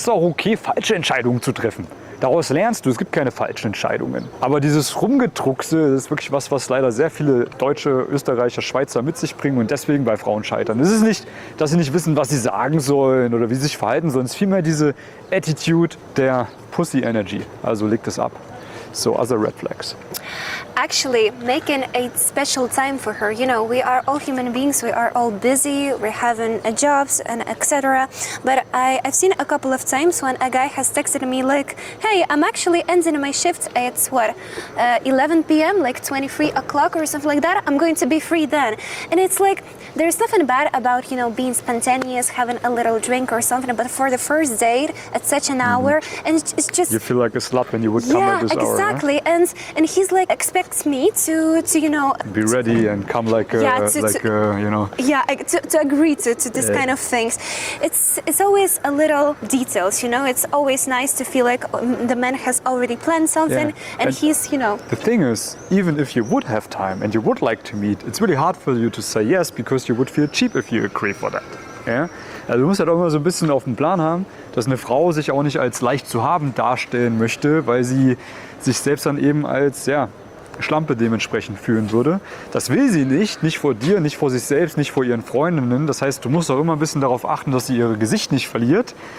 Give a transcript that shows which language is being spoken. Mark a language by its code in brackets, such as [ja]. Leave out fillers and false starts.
[de] Es ist auch okay, falsche Entscheidungen zu treffen. Daraus lernst du, es gibt keine falschen Entscheidungen. Aber dieses Rumgedruckse, das ist wirklich was leider sehr viele Deutsche, Österreicher, Schweizer mit sich bringen und deswegen bei Frauen scheitern. Es ist nicht, dass sie nicht wissen, was sie sagen sollen oder wie sie sich verhalten sollen. Es ist vielmehr diese Attitude der Pussy-Energy. Also leg das ab. [en] So, other red flags. Actually, making a special time for her. You know, we are all human beings, we are all busy, we're having jobs and etc. But I've seen a couple of times when a guy has texted me like, hey, I'm actually ending my shift at what, 11 p.m., like 23 o'clock or something like that, I'm going to be free then. And it's like, there's nothing bad about, you know, being spontaneous, having a little drink or something, but for the first date at such an hour, and it's just... You feel like a slut when you would come at this hour. Exactly. Huh? And he's like expects me to you know, be ready and come like a, yeah, to, you know. Yeah, to agree to this, yeah, kind of things. It's always a little details, you know. It's always nice to feel like the man has already planned something, yeah, and he's, you know. The thing is, even if you would have time and you would like to meet, it's really hard for you to say yes, because you would feel cheap if you agree for that. Yeah? [de] Also, du musst halt auch immer so ein bisschen auf dem Plan haben, dass eine Frau sich auch nicht als leicht zu haben darstellen möchte, weil sie sich selbst dann eben als, ja, Schlampe dementsprechend fühlen würde. Das will sie nicht, nicht vor dir, nicht vor sich selbst, nicht vor ihren Freundinnen. Das heißt, du musst auch immer ein bisschen darauf achten, dass sie ihr Gesicht nicht verliert.